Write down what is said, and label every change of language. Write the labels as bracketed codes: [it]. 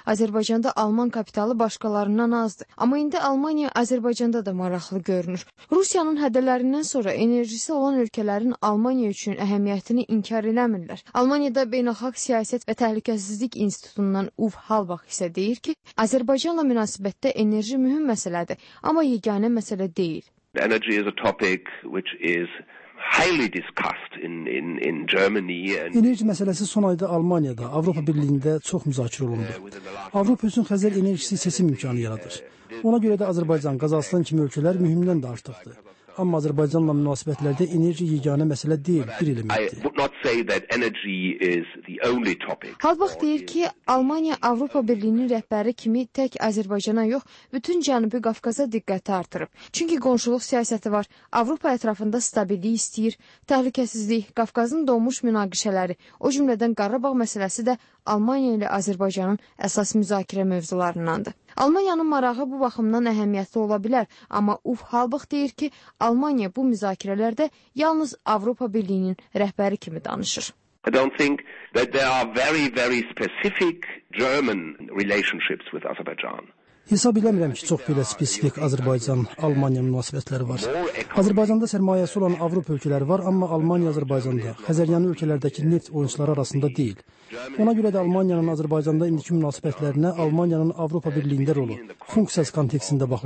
[az] Azərbaycanda Alman kapitalı başqalarından azdır. Amma indi Almaniya Azərbaycanda da maraqlı görünür. Rusiyanın hədələrindən sonra enerjisi olan ölkələrin Almaniya üçün əhəmiyyətini inkar eləmirlər. Almaniyada Beynəlxalq Siyasət və Təhlükəsizlik İnstitutundan Uf Halbach isə deyir ki, Azərbaycanla münasibətdə enerji mühüm məsələdir, amma yeganə məsələ deyil. [en] Energy is a topic which is highly discussed in Germany and [az] enerji məsələsi son ayda Almaniyada Avropa Birliyində çox müzakirə olundu. Avropa üçün Xəzər enerjisi seçim imkanı yaradır. Ona görə də Azərbaycan, Qazaxıstan kimi ölkələr mühümdən də artıqdır. Amma Azərbaycanla münasibətlərdə enerji yeganə məsələ deyil, bir elementdir. Halbach deyir ki, Almaniya Avropa Birliyinin rəhbəri kimi tək Azərbaycana yox, bütün Cənubi Qafqaza diqqəti artırıb. Çünki qonşuluq siyasəti var, Avropa ətrafında stabillik istəyir, təhlükəsizlik, Qafqazın doğmuş münaqişələri, o cümlədən Qarabağ məsələsi də Almaniya ilə Azərbaycanın əsas müzakirə mövzularındandır. Almaniyanın marağı bu baxımdan əhəmiyyətli ola bilər, amma Uf Halbach deyir ki, Almaniya bu müzakirələrdə yalnız Avropa Birliyinin rəhbəri kimi danışır. [en] I don't think that there are very, very specific German relationships with Azerbaijan. [az] Hesab eləmirəm ki, çox belə spesifik Azərbaycan-Almaniya münasibətləri var. Azərbaycanda sərmayəsi olan Avropa ölkələri var, amma Almaniya Azərbaycanda, Xəzəryanı ölkələrdəki neft oyunçuları arasında deyil. Ona görə də Almaniyanın Azərbaycanda indiki münasibətlərinə Almaniyanın Avropa Birliyində rolu, funksiyası kontekstində